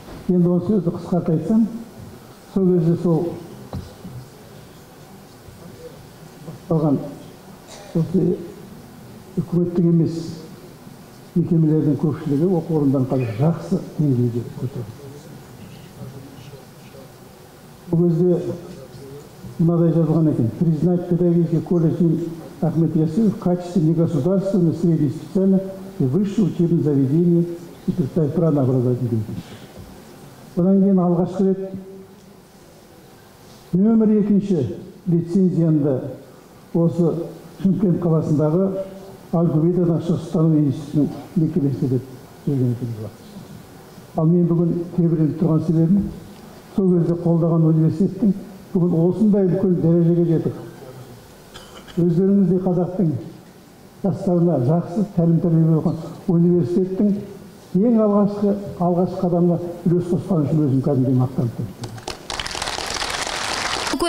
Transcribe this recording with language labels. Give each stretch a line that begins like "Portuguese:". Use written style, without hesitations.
Kazakh: Енді осы сөзді қысқарта айтсам, сол кезде сол басталған осы үкіметтік емес мекемелердің көпшілігі оқу орындарын қазір жақсы деңгейде көтерді. Бұл кезде мынадай жазылған екен:
Russian: признать педагогический колледж Ахмет Ясинов в качестве негосударственной средней специальной и высшего учебного заведения и представить право на образование.
Kazakh: Одан кейін алғашқы рет нөмір екінші лицензияны осы Шымкент қаласындағы Аль-Губейдадан Шығыстану институтының мекемесі деп жүрген екеніз бар. Ал мен бүгін тебіреніп тұрған себебім сол кезде қолдаған университеттің бүгін осындай үлкен дәрежеге жетіп, өздеріңіз де қазақтың жастарына жақсы тәлім тәрбие берген университеттің ең алғашқы қадамға үлес қосқан үшін өзім кәдімгідей мақтанып тұрмын.